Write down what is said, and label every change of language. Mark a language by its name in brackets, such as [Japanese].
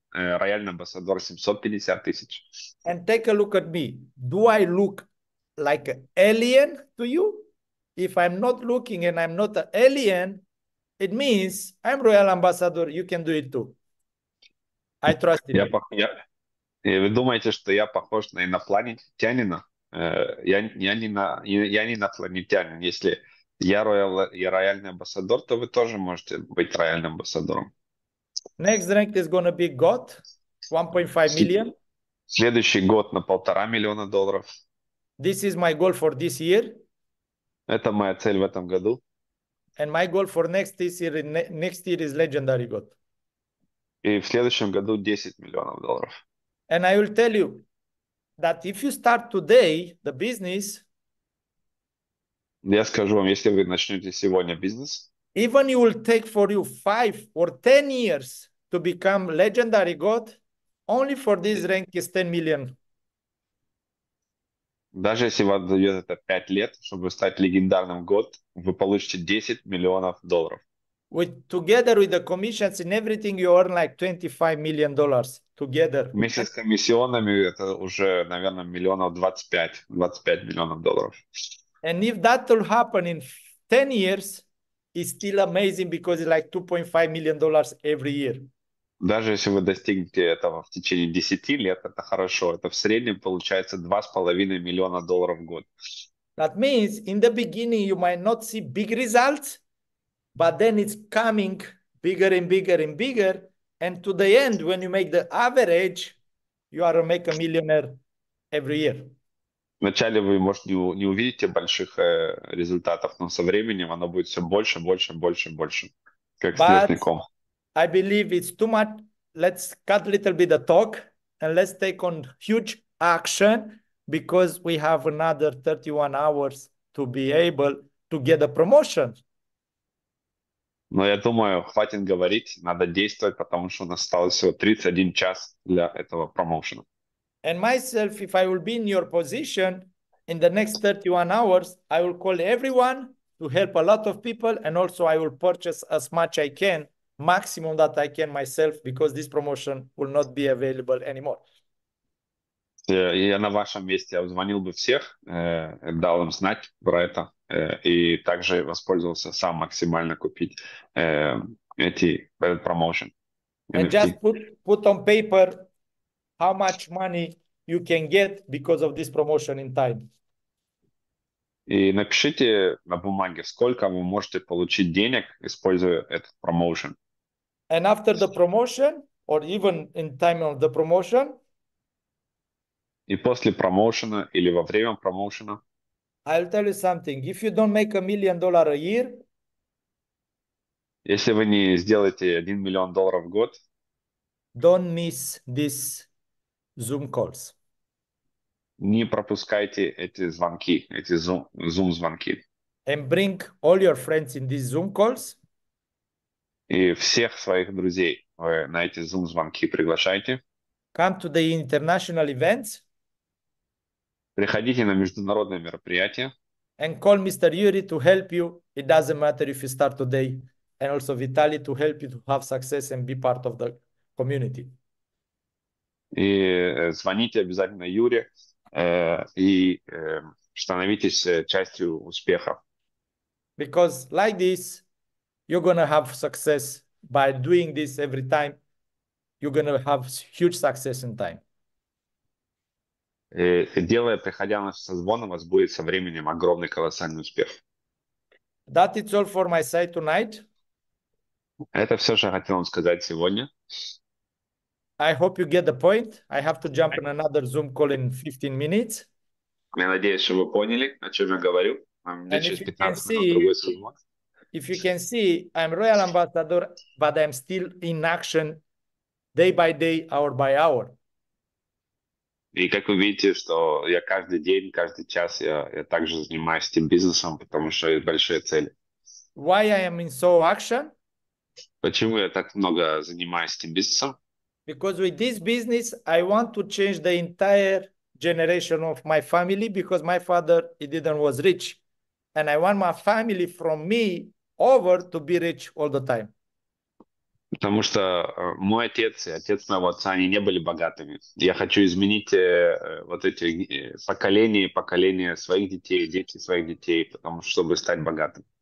[Russian] Рояльный амбассадор 750 тысяч. [English] And take a look at me. Do I look like an alien to you? If I'm not looking and I'm not an alien, it means I'm Royal Ambassador, you can do it too. I trust you. [Russian] Вы думаете, что я похож на инопланетянина? Я не инопланетянин. Если я Royal и Рояльный Амбассадор, то вы тоже можете быть Рояльным Амбассадором. [English] Next rank is going to be GOT, 1.5 million. [Russian] Следующий год на 1.5 миллиона долларов. [English] This is my goal for this year. [Russian] Это моя цель в этом году. [English] And my goal for next year is legendary GOT. [Russian] И в следующем году 10 миллионов долларов. [English] And I will tell you that if you start today the business, [Russian] я скажу вам, если вы начнете сегодня бизнес, [English] even you will take for you 5 or 10 years to become legendary GOT, only for this rank is 10 million. [Russian] Даже если вам дает это 5 лет, чтобы стать легендарным год, вы получите 10 миллионов долларов. [English] With, together with the commissions and everything, you earn like $25 million together. [Russian] Вместе с комиссионами это уже, наверное, миллионов 25 миллионов долларов. [English] And if that will happen in 10 years, it's still amazing because it's like $2.5 million every year. [Russian] Даже если вы достигнете этого в течение 10 лет, это хорошо. Это в среднем получается 2,5 миллиона долларов в год. [English] That means in the beginning you might not see big results, but then it's coming bigger and bigger and bigger, and to the end when you make the average, you are a make a millionaire. every [Russian] Вначале вы, может, не увидите больших результатов, но со временем оно будет все больше, больше, больше, больше, как снежный [English] But [Russian] ком. [English] I believe it's too much. Let's cut a little bit of talk and let's take on huge action because we have another 31 hours to be able to get a promotion. [Russian] Но я думаю, хватит говорить, надо действовать, потому что у нас осталось всего 31 час для этого промоушена. [English] And myself, if I will be in your position in the next 31 hours, I will call everyone to help a lot of people, and also I will purchase as much I can, maximum that I can myself, because this promotion will not be available anymore. [Russian] Я на вашем месте обзвонил бы всех, дал им знать про это, и также воспользовался сам максимально купить этот промоушен [English] And just NFT. put on paper how much money you can get because of this promotion in time. [Russian] И напишите на бумаге, сколько вы можете получить денег, используя этот промоушен. [English] And after the promotion, or even in time of the promotion, [Russian] И после промоушена или во время промоушена. [English] I'll tell you something. If you don't make $1 million a year, [Russian] Если вы не сделаете 1 миллион долларов в год, [English] don't miss this Zoom calls. [Russian] не пропускайте эти звонки, эти зум-звонки. [English] And bring all your friends in these Zoom calls. [Russian] И всех своих друзей вы на эти зум-звонки приглашайте. [English] Come to the international events [Russian] Приходите на международное мероприятие. [English] and call Mr. Yuri to help you. It doesn't matter if you start today, and also Vitaly to help you to have success and be part of the community. [Russian] И звоните обязательно Юре, и становитесь частью успеха. [English] Because like this, you're gonna have success by doing this every time. You're gonna have huge success in time. [Russian] И делая, приходя на созвон, у вас будет со временем огромный колоссальный успех. [English] That is all for my side tonight. [Russian] Это все, что я хотел вам сказать сегодня. [English] I hope you get the point. I have to jump in another Zoom call in 15 minutes. [Russian] Я надеюсь, что вы поняли, о чем я говорю. Мне [English] And [Russian] через 15 минут другой созвон. [English] if you can see, I'm Royal Ambassador, but I'm still in action. Day by day, hour by hour. [Russian] И как вы видите, что я каждый день, каждый час я также занимаюсь этим бизнесом, потому что есть большие цели. [English] Why I am in so action? [Russian] Почему я так много занимаюсь этим бизнесом? [English] Because with this business, I want to change the entire generation of my family because my father, he didn't was rich. And I want my family from me over to be rich all the time. [Russian] Потому что мой отец и отец моего отца, они не были богатыми. Я хочу изменить вот эти поколения и поколения своих детей, дети своих детей, потому что чтобы стать богатым.